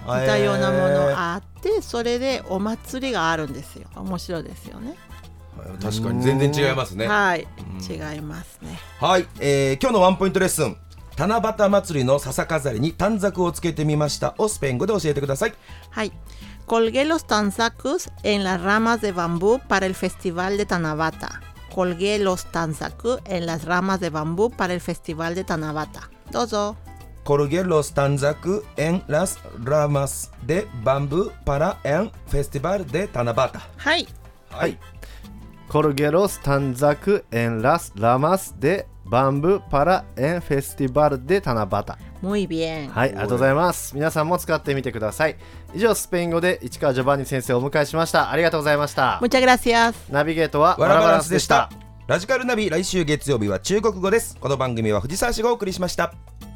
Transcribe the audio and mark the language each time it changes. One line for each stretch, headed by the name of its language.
Japanese: はい、似たようなものがあって、それでお祭りがあるんですよ。面白いですよね。確かに全然違いますね。はい、違いますね。はい、今日のワンポイントレッスン、七夕祭りの笹飾りに短冊をつけてみましたをスペイン語で教えてください。
Spanish: はい、colgué los tanzacus en las ramas de bambú para el festival de Tanabata. colgué los tanzacus en las ramas de bambú para el festival de Tanabata.
Japanese: どうぞ。
Spanish: Colgué los tanzaku en las ramas de bambú para el festival de Tanabata.
Japanese: はい。はい。
Spanish: Colgué los tanzaku en las ramas de bambú para el festival de Tanabata. Muy bien.
Japanese: はい、ありがとうございます。皆さんも使ってみてください。以上、スペイン語で市川ジョバンニ先生をお迎えしました。ありがとうございました。
Spanish: Muchas gracias.
Japanese: ナビゲートはワラバランスでした。ラジカルナビ、来週月曜日は中国語です。この番組は藤沢市がお送りしました。